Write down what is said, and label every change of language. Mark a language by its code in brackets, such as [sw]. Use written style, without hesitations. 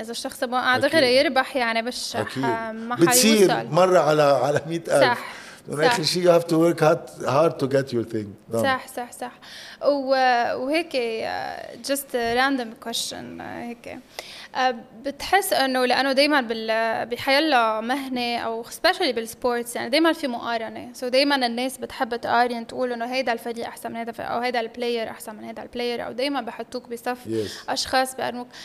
[ar] إذا الشخص بقى دغري يربح يعني مش بتصير مرة على 100,000. صح. آخر شيء [en] you have to work hard to get your thing. [ar] صح صح صح. وهيك [en] just a random question، [ar] هيك بتحس أنه لأنه دايما بحياله مهنة أو especially بالسبورتس، يعني دايما في مقارنة، so دايما الناس بتحب تقارن، تقول أنه هيدا الفريق أحسن من هيدا الفريق، أو هيدا البلاير أحسن من هيدا البلاير، أو دايما بحطوك بصف أشخاص بقارنوك.